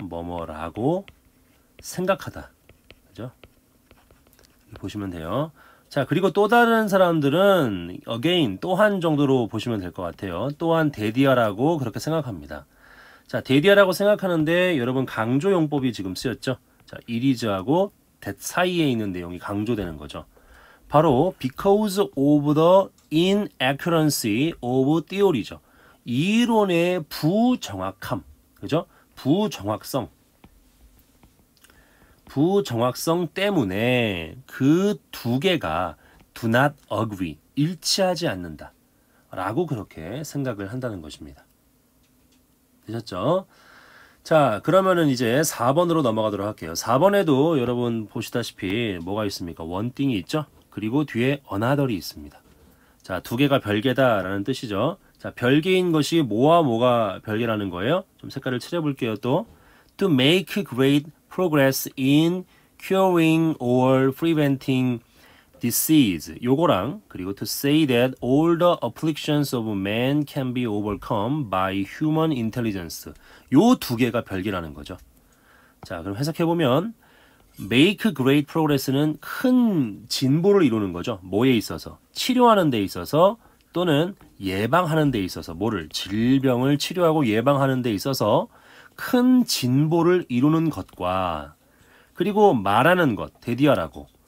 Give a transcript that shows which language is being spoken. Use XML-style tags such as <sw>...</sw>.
<ko>뭐뭐라고 생각하다. 그죠? 보시면 돼요. 자, 그리고 또 다른 사람들은 again 또한 정도로 보시면 될것 같아요. 또한 데디아라고 그렇게 생각합니다. 자, 데디아라고 생각하는데 여러분 강조용법이 지금 쓰였죠? 자, it is하고 that 사이에 있는 내용이 강조되는 거죠. 바로</ko> <en>because of the inaccuracy of theory죠.</en> <ko>이론의 부정확함. 그죠? 부정확성. 부정확성 때문에 그두 개가</ko> <en>do not agree,</en> <ko>일치하지 않는다 라고 그렇게 생각을 한다는 것입니다. 되셨죠? 자, 그러면은 이제 4번으로 넘어가도록 할게요. 4번에도 여러분 보시다시피 뭐가 있습니까? 원띵이 있죠? 그리고 뒤에 another이 있습니다. 자, 두 개가 별개다라는 뜻이죠. 자, 별개인 것이 뭐와 뭐가 별개라는 거예요? 좀 색깔을 칠해볼게요, 또.</ko> <en>To make great progress in curing or preventing disease.</en> <ko>요거랑, 그리고</ko> <en>to say that all the afflictions of man can be overcome by human intelligence.</en> <ko>요두 개가 별개라는 거죠. 자, 그럼 해석해보면, make great progress는 큰 진보를 이루는 거죠. 뭐에 있어서? 치료하는 데 있어서, 또는 예방하는 데 있어서, 뭐를? 질병을 치료하고 예방하는 데 있어서 큰 진보를 이루는 것과, 그리고 말하는 것, 대디어라고.</ko>